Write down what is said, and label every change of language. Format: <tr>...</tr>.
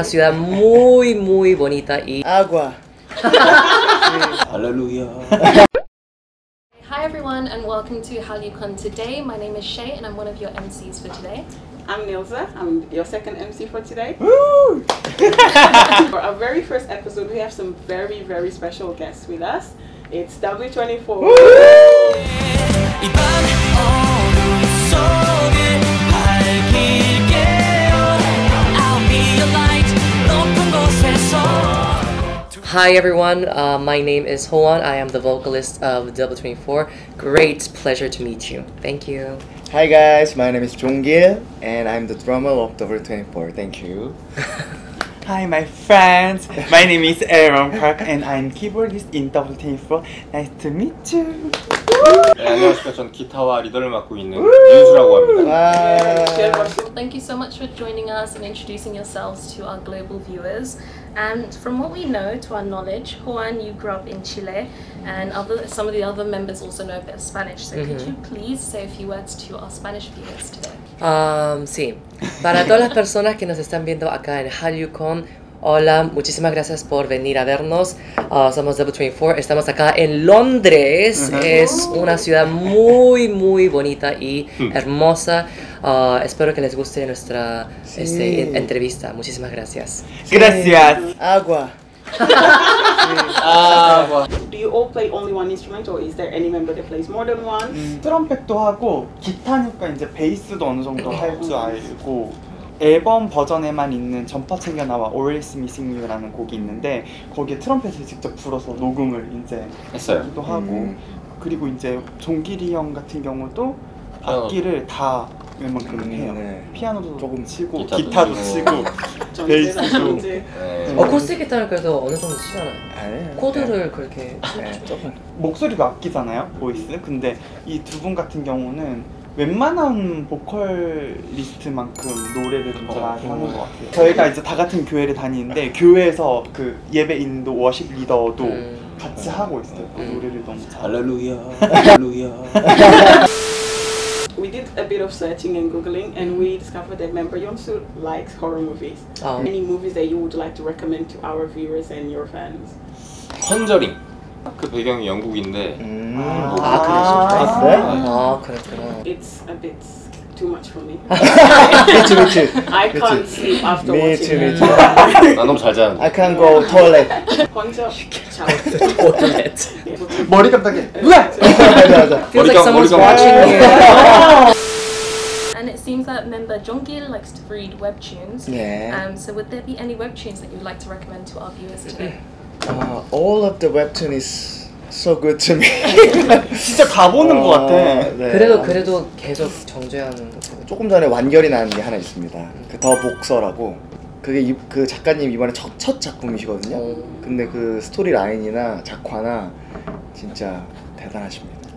<es>Una ciudad muy, muy bonita y... Agua.</es> <en>Hallelujah. Hi, everyone, and welcome to HallyuCon Today. My name is Shay, and I'm one of your MCs for today. I'm Nilza. I'm your second MC for today. Woo! For our very first episode, we have some very, very special guests with us. It's W24. Woo! Hi everyone, my name is Hoan. I am the vocalist of W24. Great pleasure to meet you. Thank you. Hi guys, my name is Jonggil and I'm the drummer of W24. Thank you. Hi my friends, my name is Aaron Park and I'm keyboardist in W24. Nice to meet you.</en> <ko>네, 안녕하십니까. 전 기타와 리더를 맡고 있는 윤수라고 합니다.</ko> <en>Thank you so much for joining us and introducing yourselves to our global viewers. And from what we know, to our knowledge, Juan, you grew up in Chile, and some of the other members also know a bit of Spanish. So could you please say a few words to our Spanish viewers today?</en> <es>Sí. Para todas las personas que nos están viendo acá en HallyuCon, hola, muchísimas gracias por venir a vernos. Somos W24, estamos acá en Londres. Es una ciudad muy, muy bonita y hermosa. Espero que les guste nuestra entrevista. Muchísimas gracias. Sí. Gracias. Agua.</es> <en>Do you all play only one instrument or is there any member that plays more than one?</en> <ko>트럼펫도 하고, 기타니까 이제 베이스도 어느 정도 할 줄 알고, 앨범 버전에만 있는 점퍼 챙겨 나와 Always Missing You라는 곡이 있는데 거기에 트럼펫을 직접 불어서 녹음을 이제 했어요.도 하고 그리고 이제 종길이 형 같은 경우도 악기를 다 웬만큼 해요. 네. 피아노도 조금 치고 기타도 치고 베이스도. 코스 기타를 그래도 어느 정도 치잖아요. 아니에요. 코드를 네. 그렇게 조금 목소리가 악기잖아요. 보이스. 근데 이 두 분 같은 경우는 웬만한 보컬리스트만큼 노래를 좀 잘하는 것 같아요. 저희가 이제 다 같은 교회를 다니는데 교회에서 그 예배 인도 워십 리더도 같이 하고 있어요. 노래를 너무 잘. 할렐루야. 할렐루야.</ko> <en>We did a bit of searching and googling and we discovered that member Yeongsu likes horror movies. Any movies that you would like to recommend to our viewers and your fans?</en> <ko>Conjuring. 그 배경이 영국인데 아 그랬어요? 아 그랬구나.</ko> <en>It's a bit too much for me. Me too, me too. I can't sleep after me watching it. Me too, me too.</en> <ko>나 너무 잘 자는데.</ko> <en>I can't go toilet.</en> <ko>혼자 자고 toilet. 머리 깜빡해. 뭐야?</ko> <en>Feels like someone's watching you. And it seems that member Jonggil likes to read webtoons. Yeah. So would there be any webtoons that you'd like to recommend to our viewers today? All of the webtoon is so good to me.</en> <ko>진짜 다 보는 것 같아. 네. 그래도 계속 정주행하는 것 같아. 조금 전에 완결이 나는 게 하나 있습니다. 그 더 복서라고. 그게 그 작가님 이번에 첫 작품이시거든요. 근데 그 스토리 라인이나 작화나 진짜 대단하십니다.</ko>